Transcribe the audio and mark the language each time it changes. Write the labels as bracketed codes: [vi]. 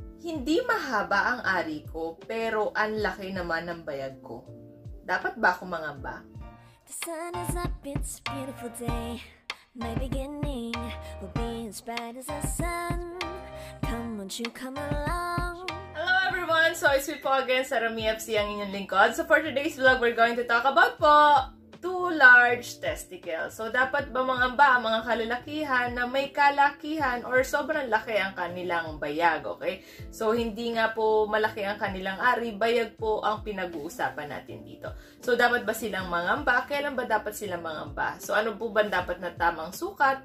[tl] hindi mahaba ang ari ko, pero ang laki naman ng bayag ko. Dapat ba ako mangamba? [en] The sun is up, it's a beautiful day. My beginning will be as bright as the sun. Come, won't you come along? Hello everyone! So, it's me po again, Sarah Mie FC, [tl] ang inyong lingkod. [en] So, for today's vlog, we're going to talk about po two large testicles. [tl] So, dapat ba mangamba ang mga kalalakihan na may kalakihan or sobrang laki ang kanilang bayag, okay? So, hindi nga po malaki ang kanilang ari, bayag po ang pinag-uusapan natin dito. So, dapat ba silang mangamba? Kailan ba dapat silang mangamba? So, ano po ba dapat na tamang sukat?